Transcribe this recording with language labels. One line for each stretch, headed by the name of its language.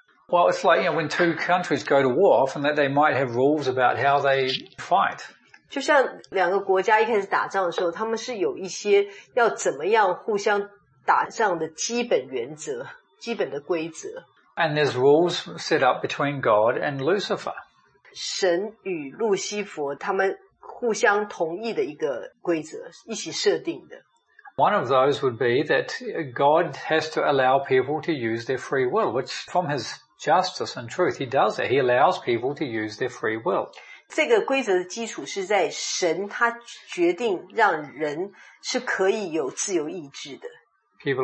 English: Well, it's like, you know, when two countries go to war, often that they might have rules about how they fight.
Chinese: 就像两个国家一开始打仗的时候, 他们是有一些要怎么样互相打仗的基本原则, 基本的规则。
English: And there's rules set up between God and Lucifer.
Chinese: 神与路西佛, 他们互相同意的一个规则, 一起设定的。
English: One of those would be that God has to allow people to use their free will, which from his justice and truth, he does that. He allows people to use their free will.
Chinese: 这个规则的基础是在神，他决定让人是可以有自由意志的。
English: People